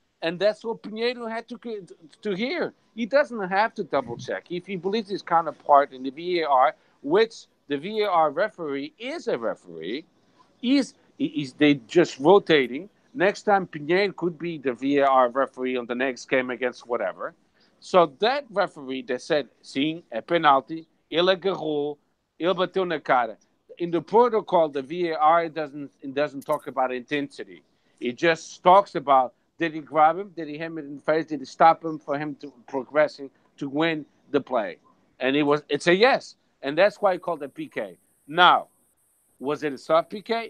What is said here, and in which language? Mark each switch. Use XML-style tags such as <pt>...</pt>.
<en>And that's what Pinheiro had to hear. He doesn't have to double-check. If he believes his counterpart in the VAR, which the VAR referee is a referee, is they just rotating. Next time, Pinheiro could be the VAR referee on the next game against whatever. So that referee that said,</en> <pt>sim, é penalti, ele agarrou, ele bateu na cara.</pt> <en>In the protocol, the VAR doesn't talk about intensity. It just talks about, did he grab him? Did he hit him in the face? Did he stop him for him to progressing to win the play? And it's a yes. And that's why he called it PK. Now, was it a soft PK?</en>